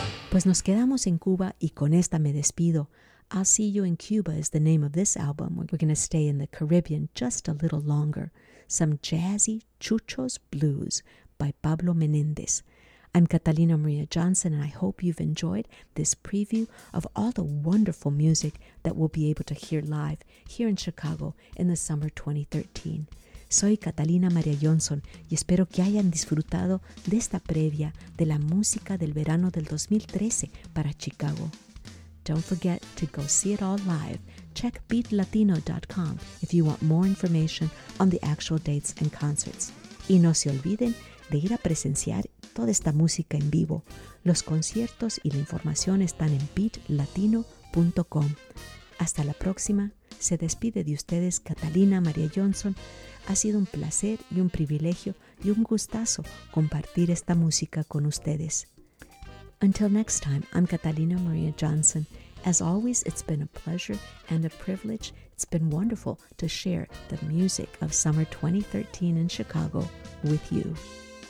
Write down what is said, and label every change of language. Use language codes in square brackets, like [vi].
[es] Pues nos quedamos en Cuba y con esta me despido. [en] I'll See You in Cuba is the name of this album. We're going to stay in the Caribbean just a little longer. Some jazzy Chuchos Blues by Pablo Menéndez. I'm Catalina Maria Johnson, and I hope you've enjoyed this preview of all the wonderful music that we'll be able to hear live here in Chicago in the summer 2013. [es] Soy Catalina María Johnson y espero que hayan disfrutado de esta previa de la música del verano del 2013 para Chicago. [en] Don't forget to go see it all live. Check beatlatino.com if you want more information on the actual dates and concerts. [es] Y no se olviden de ir a presenciar toda esta música en vivo. Los conciertos y la información están en beatlatino.com. Hasta la próxima. Se despide de ustedes Catalina María Johnson. Ha sido un placer y un privilegio y un gustazo compartir esta música con ustedes. [en] Until next time, I'm Catalina Maria Johnson. As always, it's been a pleasure and a privilege. It's been wonderful to share the music of summer 2013 in Chicago with you.